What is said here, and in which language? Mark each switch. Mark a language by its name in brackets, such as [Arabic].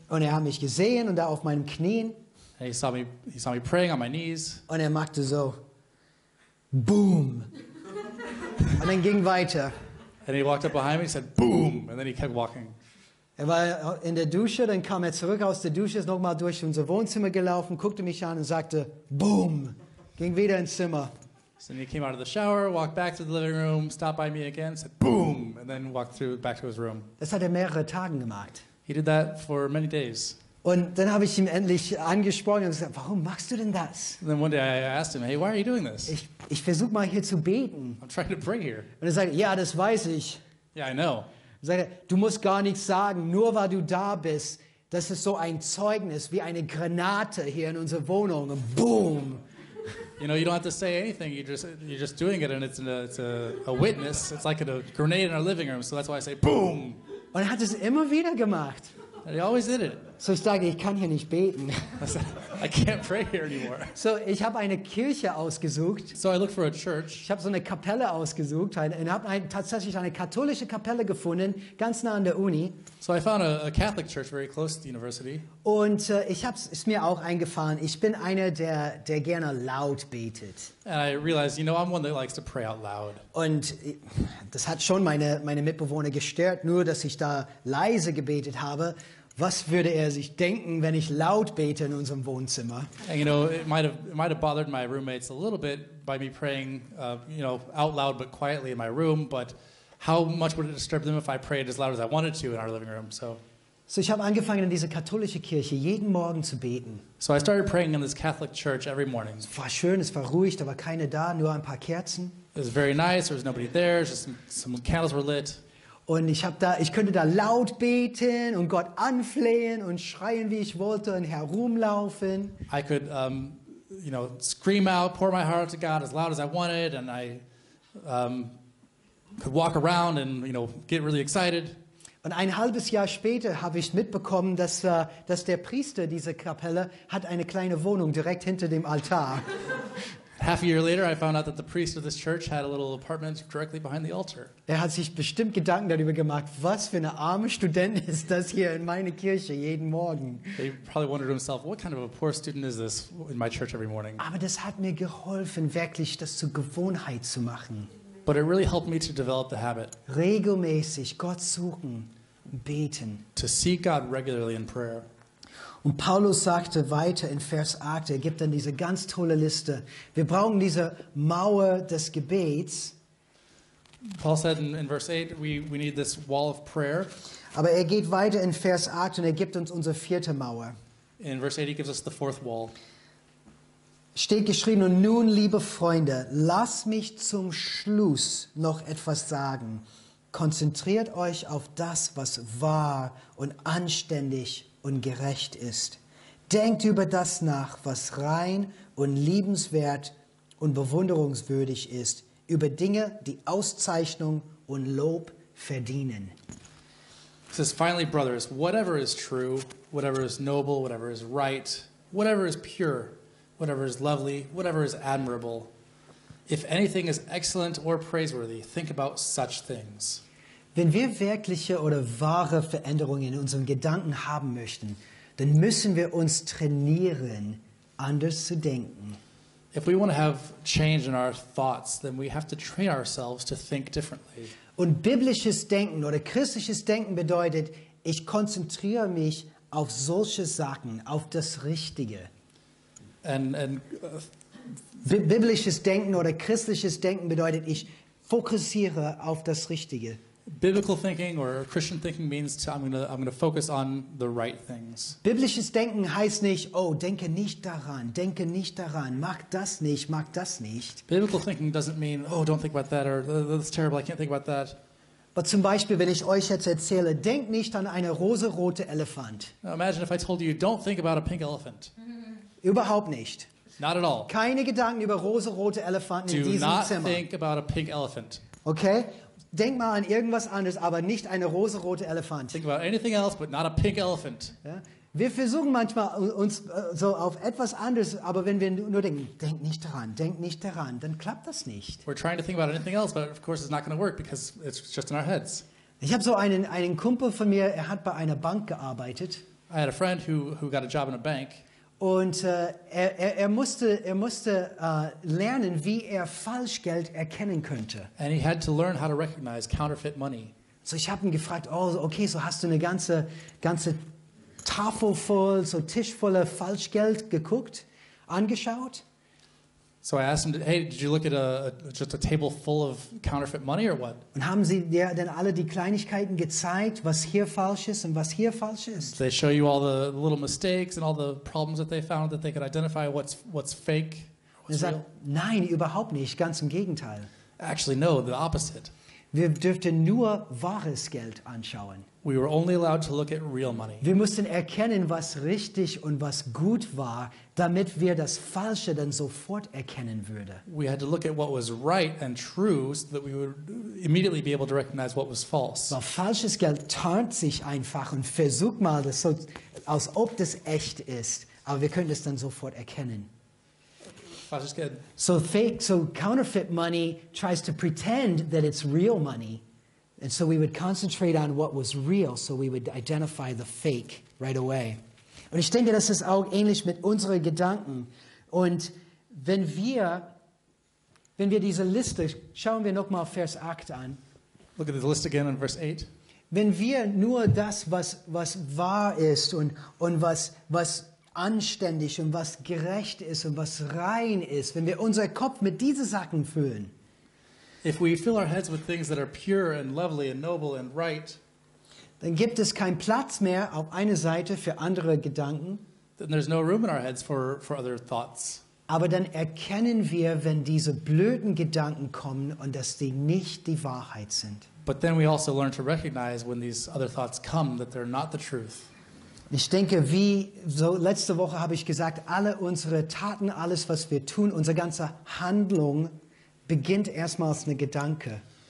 [German] Und hat mich gesehen und da auf meinen Knien. [English] And he saw me praying on my knees. [German] Und machte so, boom. Und dann ging weiter. [English] And he walked up behind me and said, boom. And then he kept walking. [German] War in der Dusche, dann kam zurück aus der Dusche, ist nochmal durch unser Wohnzimmer gelaufen, guckte mich an und sagte, boom. Ging wieder ins Zimmer. [English] So then he came out of the shower, walked back to the living room, stopped by me again, said boom, and then walked through back to his room. [German] Das hat mehrere Tage gemacht. [English] He did that for many days. [German] Und dann habe ich ihm endlich angesprochen und gesagt, warum machst du denn das? [English] And then one day I asked him, hey, why are you doing this? [German] Ich versuche mal hier zu beten. [English] I'm trying to pray here. [German] Und sagte, ja, das weiß ich. [English] Yeah, I know. [German] Sagte, du musst gar nichts sagen, nur weil du da bist, das ist so ein Zeugnis wie eine Granate hier in unserer Wohnung. Und boom. [English] You know, you don't have to say anything. You're just doing it, and it's a witness. It's like a grenade in our living room. So that's why I say boom. [German] Und hat es immer wieder gemacht. [English] And he always did it. [German] So ich sage, ich kann hier nicht beten. [English] I said, I can't pray here anymore. [German] So ich habe eine Kirche ausgesucht. [English] So I looked for a church. [German] Ich habe so eine Kapelle ausgesucht und habe tatsächlich eine katholische Kapelle gefunden, ganz nah an der Uni. [English] So I found a Catholic church very close to the university. [German] Und ich habe es mir auch eingefallen. Ich bin einer, der gerne laut betet. [English] And I realized, you know, I'm one that likes to pray out loud. [German] Und das hat schon meine Mitbewohner gestört, nur dass ich da leise gebetet habe. Was würde sich denken, wenn ich laut bete in unserem Wohnzimmer? [English] And you know, it might have bothered my roommates a little bit by me praying, you know, out loud but quietly in my room. But how much would it disturb them if I prayed as loud as I wanted to in our living room? So [German] ich habe angefangen in dieser katholischen Kirche jeden Morgen zu beten. [English] So I started praying in this Catholic church every morning. [German] Es war schön, es war ruhig, da war keiner da, nur ein paar Kerzen. [English] It was very nice. There was nobody there. Just some candles were lit. [German] Und ich könnte da laut beten und Gott anflehen und schreien, wie ich wollte, und herumlaufen. [English] I could, you know, scream out, pour my heart to God as loud as I wanted, and I could walk around and, you know, get really excited. [German] Und ein halbes Jahr später habe ich mitbekommen, dass der Priester dieser Kapelle hat eine kleine Wohnung direkt hinter dem Altar. [English] Half a year later, I found out that the priest of this church had a little apartment directly behind the altar. [German] Er hat sich bestimmt Gedanken darüber gemacht, was für eine arme Student ist das hier in meine Kirche jeden Morgen. [English] He probably wondered himself, what kind of a poor student is this in my church every morning? [German] Aber das hat mir geholfen, wirklich das zur Gewohnheit zu machen. [English] But it really helped me to develop the habit. [German] Regelmäßig Gott suchen, beten. [English] To seek God regularly in prayer. [German] Und Paulus sagte weiter in Vers 8, er gibt dann diese ganz tolle Liste. Wir brauchen diese Mauer des Gebets. [English] Paul said in Vers 8, we need this wall of prayer. [German] Aber er geht weiter in Vers 8 und er gibt uns unsere vierte Mauer. [English] In Vers 8, he gives us the fourth wall. [German] Steht geschrieben, und nun, liebe Freunde, lasst mich zum Schluss noch etwas sagen. Konzentriert euch auf das, was wahr und anständig ist. Und gerecht ist. Denkt über das nach, was rein und liebenswert und bewunderungswürdig ist, über Dinge, die Auszeichnung und Lob verdienen. [English] It says, finally, brothers, whatever is true, whatever is noble, whatever is right, whatever is pure, whatever is lovely, whatever is admirable, if anything is excellent or praiseworthy, think about such things. [German] Wenn wir wirkliche oder wahre Veränderungen in unseren Gedanken haben möchten, dann müssen wir uns trainieren, anders zu denken. [English] If we want to have change in our thoughts, then we have to train ourselves to think differently. [German] Und biblisches Denken oder christliches Denken bedeutet, ich konzentriere mich auf solche Sachen, auf das Richtige. Biblisches Denken oder christliches Denken bedeutet, ich fokussiere auf das Richtige. [English] Biblical thinking or Christian thinking means to, I'm going to focus on the right things. [German] Biblisches Denken heißt nicht, oh, denke nicht daran, mag das nicht. [English] Biblical thinking doesn't mean, oh, don't think about that, or that's terrible, I can't think about that. But [German] zum Beispiel, wenn ich euch jetzt erzähle, denk nicht an eine rosarote Elefant. [English] Now imagine if I told you, don't think about a pink elephant. [German] Überhaupt nicht. [English] Not at all. [German] Keine Gedanken über rosarote Elefanten [English] Do [German] in diesem [English] not [German] Zimmer. [English] Not think about a pink elephant. Okay? [German] Denk mal an irgendwas anderes, aber nicht eine rosarote Elefant. [English] Think about anything else, but not a pink elephant. [German] Ja? Wir versuchen manchmal uns so auf etwas anderes, aber wenn wir nur denk nicht daran, dann klappt das nicht. [English] We're trying to think about anything else, but of course it's not going to work because it's just in our heads. [German] Ich habe so einen Kumpel von mir, er hat bei einer Bank gearbeitet. [English] I had a friend who got a job in a bank. [German] Und er musste lernen, wie er Falschgeld erkennen könnte. [English] And he had to learn how to recognize counterfeit money. [German] So ich habe ihn gefragt, oh, okay, so hast du eine ganze Tafel voll, so Tisch voller Falschgeld geguckt, angeschaut? [English] So I asked him, hey, did you look at just a table full of counterfeit money or what? [German] Und haben sie dir denn alle die Kleinigkeiten gezeigt, was hier falsch ist und was hier falsch ist? [English] They show you all the little mistakes and all the problems that they found that they could identify what's fake, what's real? [German] Nein, überhaupt nicht, ganz im Gegenteil. [English] Actually, no, the opposite. [German] Wir dürften nur wahres Geld anschauen. [English] We were only allowed to look at real money. [German] Wir mussten erkennen, was richtig und was gut war, damit wir das Falsche dann sofort erkennen würden. [English] We had to look at what was right and true, so that we would immediately be able to recognize what was false. [German] Weil falsches Geld tarnt sich einfach und versucht mal, das so, als ob das echt ist, aber wir können es dann sofort erkennen. [English] So counterfeit money tries to pretend that it's real money, and so we would concentrate on what was real, so we would identify the fake right away. [German] Und ich denke, das ist auch ähnlich mit unseren Gedanken. Und wenn wir diese Liste, schauen wir nochmal Vers 8 an. [English] Look at the list again in verse 8. [German] Wenn wir nur das, was wahr ist und was anständig und was gerecht ist und was rein ist, wenn wir unser Kopf mit diesen Sachen füllen. [English] If we fill our heads with things that are pure and lovely and noble and right, [German] dann gibt es keinen Platz mehr auf einer Seite für andere Gedanken. [English] Then there's no room in our heads for other thoughts. [German] Aber dann erkennen wir, wenn diese blöden Gedanken kommen und dass sie nicht die Wahrheit sind. [English] But then we also learn to recognize when these other thoughts come that they're not the truth. [German] Ich denke, wie so letzte Woche habe ich gesagt, alle unsere Taten, alles, was wir tun, unsere ganze Handlung beginnt erstmals eine Gedanke.